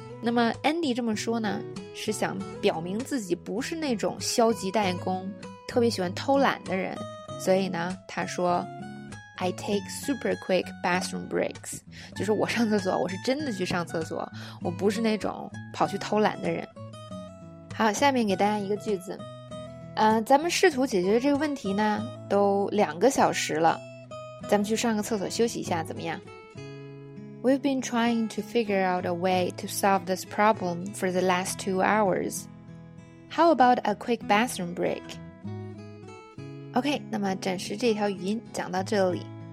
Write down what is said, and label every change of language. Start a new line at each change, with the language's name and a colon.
Chinese: 那么 Andy 这么说呢是想表明自己不是那种消极代工特别喜欢偷懒的人，所以呢他说
English: I take super quick bathroom breaks，
Chinese: 就是我上厕所我是真的去上厕所，我不是那种跑去偷懒的人。好，下面给大家一个句子，咱们试图解决这个问题呢都2个小时了，咱们去上个厕所休息一下怎么样？
English: We've been trying to figure out a way to solve this problem for the last 2 hours. How about a quick bathroom break?OK,
Chinese: 那么暂时这条语音讲到这里。